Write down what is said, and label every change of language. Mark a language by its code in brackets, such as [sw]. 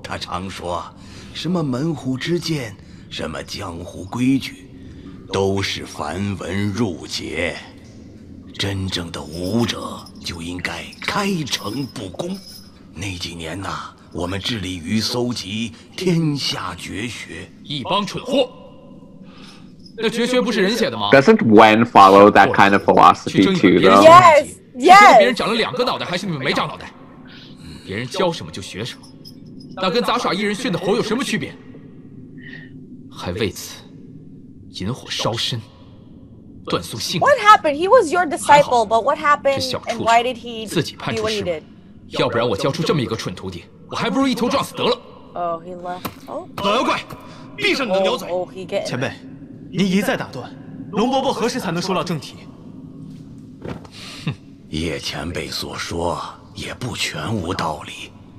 [zh] 他常说什么门户之见，什么江湖规矩，都是繁文缛节。真正的武者就应该开诚布公。那几年呢，我们致力于搜集天下绝学，一帮蠢货。那绝学不是人写的吗？ [en] Doesn't Wayne follow that kind of philosophy too, though? Yes, yes. [zh] 别人长了两个脑袋，还是你们没长脑袋？别人教什么就学什么，那跟杂耍艺人训的猴有什么区别？还为此引火烧身，断送性 [en] What happened? He was your disciple, but what happened? [zh] 这小畜生自己判出师门，要不然我教出这么一个蠢徒弟，我还不如一头撞死得了。 [en] Oh, he left. Oh. [zh] 老妖怪，闭上你的鸟嘴！ [en] Oh, he get. [zh] 前辈，您一再打断，龙伯伯何时才能说到正题？哼，叶前辈所说也不全无道理。